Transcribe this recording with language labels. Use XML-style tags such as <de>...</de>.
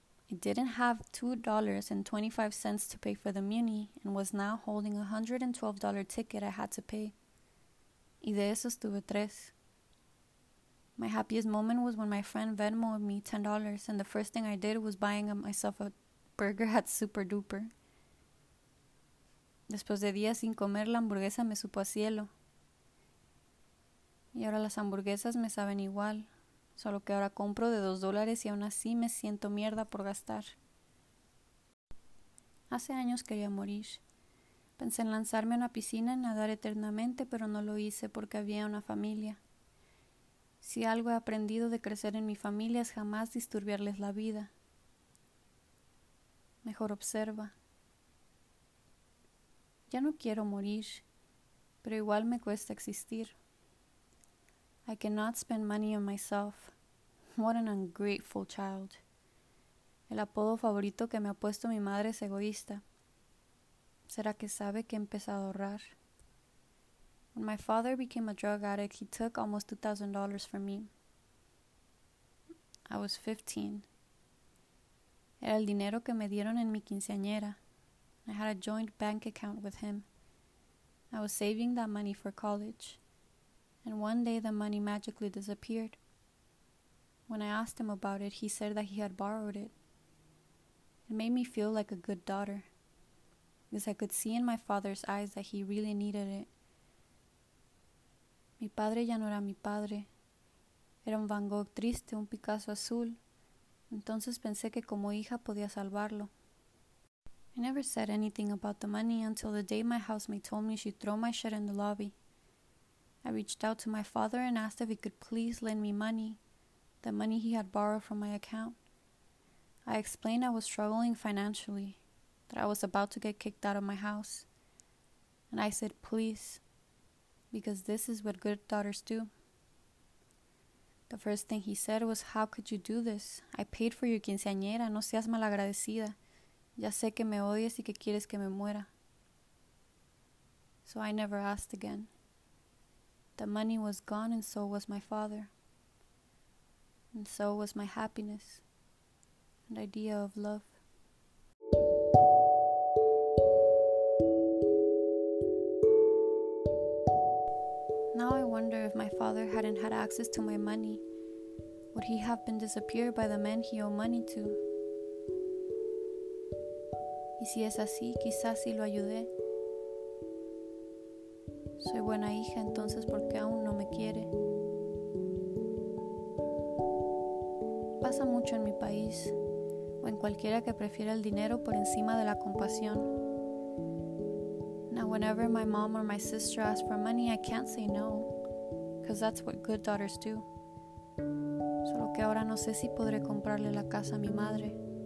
<en>I didn't have $2.25 to pay for the muni and was now holding a $112 ticket I had to pay.</en> <es>Y de eso estuve tres.</es> <en>My happiest moment was when my friend Venmoed me $10 and the first thing I did was buying myself a burger at Super Duper.</en> <es>Después de días sin comer, la hamburguesa me supo a cielo. Y ahora las hamburguesas me saben igual, solo que ahora compro de $2 y aún así me siento mierda por gastar. Hace años quería morir. Pensé en lanzarme a una piscina y nadar eternamente, pero no lo hice porque había una familia. Si algo he aprendido de crecer en mi familia es jamás disturbiarles la vida. Mejor observa. Ya no quiero morir, pero igual me cuesta existir.</es> <en>I cannot spend money on myself. What an ungrateful child.</en> <es>El apodo favorito que me ha puesto mi madre es egoísta. ¿Será que sabe que he empezado a ahorrar?</es> <en>When my father became a drug addict, he took almost $2,000 from me. I was 15.</en> <es>Era el dinero que me dieron en mi quinceañera.</es> <en>I had a joint bank account with him. I was saving that money for college. And one day the money magically disappeared. When I asked him about it, he said that he had borrowed it. It made me feel like a good daughter, because I could see in my father's eyes that he really needed it.</en> <es>Mi padre ya no era mi padre. Era un Van Gogh triste, un Picasso azul. Entonces pensé que como hija podía salvarlo.</es> <en>I never said anything about the money until the day my housemate told me she'd throw my shit in the lobby. I reached out to my father and asked if he could please lend me money, the money he had borrowed from my account. I explained I was struggling financially, that I was about to get kicked out of my house. And I said, please, because this is what good daughters do. The first thing he said was, how could you do this? I paid for your quinceañera,</en> <es>no seas malagradecida. Ya sé que me odias y que quieres que me muera.</es> <en>So I never asked again. The money was gone and so was my father. And so was my happiness. An idea of love. Now I wonder if my father hadn't had access to my money, would he have been disappeared by the men he owed money to?</en> <es>Y si es así, quizás si lo ayudé. Soy buena hija, entonces ¿por qué aún no me quiere? Pasa mucho en mi país, o en cualquiera que prefiera el dinero por encima de la compasión.</es> <en>Now whenever my mom or my sister ask for money, I can't say no, because that's what good daughters do.</en> <es>Solo que ahora no sé si podré comprarle la casa a mi madre.</es>